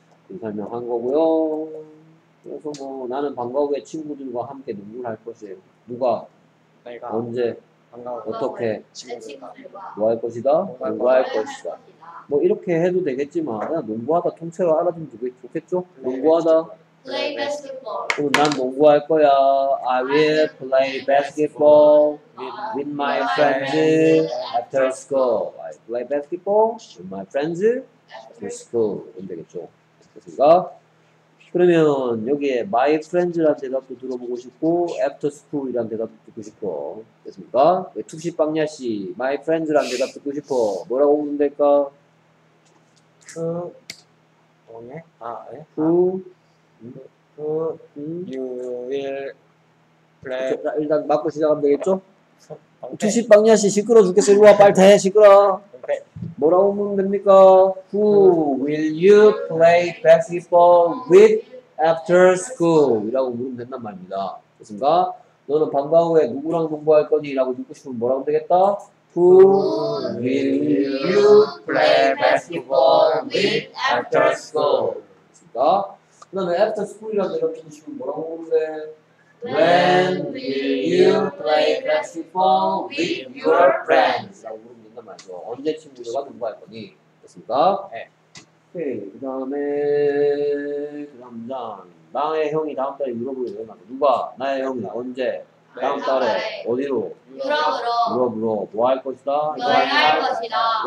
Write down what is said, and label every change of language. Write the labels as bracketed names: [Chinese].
[Korean] 이 설명한 거고요. 그래서 뭐 나는 방과후에 친구들과 함께 농구를 할 것이에요. 누가? 내가. 언제? 방과후에 어떻게? 친구들과. 뭐 할 것이다? 농구할 할 것이다. 뭐 이렇게 해도 되겠지만 그냥 농구하다 통째로 알아두면 좋겠죠? 농구하다. [English] Play basketball. [Korean] 그럼 난 농구할 거야. [English] I will play basketball with my friends after school. I play basketball with my friends after school. [Korean] 이러면 되겠죠. 됐습니까? 그러면 여기에 [English] my friends [Korean] 라는 대답도 들어보고 싶고 [English] after school [Korean] 이라는 대답도 듣고 싶어. 됐습니까? 왜 툭시빵야씨 [English] my friends [Korean] 라는 대답 듣고 싶어. 뭐라고 보면 될까? 그... 뭐냐? 아, 예? 그... 그, 유, 일, 플레. 일단 맞고 시작하면 되겠죠? 주식방야 씨, 시끄러워 죽겠어. 이리 와, 빨대, 시끄러. 뭐라고 하면 됩니까? [English] Who will you play basketball with after school? [Korean] 이라고 물으면 된단 말입니다. 됐습니까? 너는 방과 후에 누구랑 공부할 거니? 라고 묻고 싶으면 뭐라고 하면 되겠다? [English] Who will you play basketball with after school? [Korean] 됐습니까? 그 다음에 [English] after school [Korean] 이라고 내가 주시면 뭐라고 보는데 [English] When will you play basketball with your friends? [Korean] 라고 물으면 된단 말이죠. 언제 친구들과 공부할 거니? 됐습니까? 네. 오케이. 그 다음에 그 다음 문장 나의 형이 다음 달에 유럽으로 여행하는 누가? 나의 형이 언제? 다음 달에 어디로? 유럽으로 뭐 할 것이다? 여행할 것이다.